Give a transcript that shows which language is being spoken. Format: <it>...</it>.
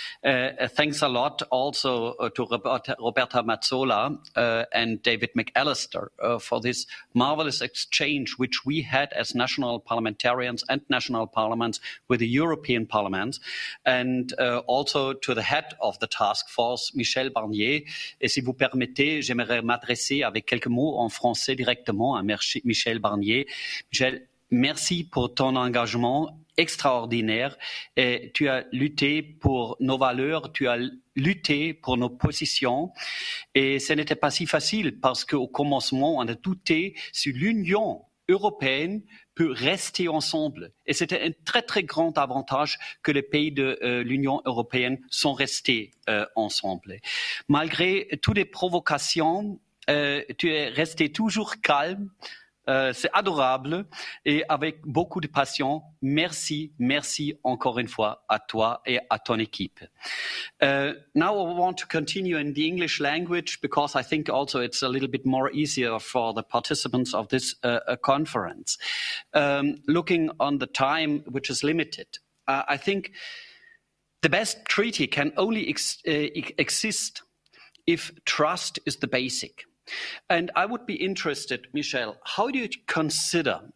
<en>Thanks a lot also to Roberta Mazzola and David McAllister for this marvelous exchange which we had as national parliamentarians and national parliaments with the European Parliament, and also to the head of the task force, Michel Barnier.</en> <fr>Et si vous permettez, j'aimerais m'adresser avec quelques mots en français directement à Michel Barnier. Michel, merci pour ton engagement extraordinaire. Et tu as lutté pour nos valeurs, tu as lutté pour nos positions et ce n'était pas si facile parce qu'au commencement, on a douté si l'Union européenne peut rester ensemble. Et c'était un très, très grand avantage que les pays de l'Union européenne sont restés ensemble. Malgré toutes les provocations, tu es resté toujours calme, c'est adorable et avec beaucoup de passion. Merci, merci encore une fois à toi et à ton équipe.</fr> <en>Now I want to continue in the English language because I think also it's a little bit more easier for the participants of this conference. Looking on the time, which is limited, I think the best treaty can only exist if trust is the basic. And I would be interested, Michel, how do you consider</en>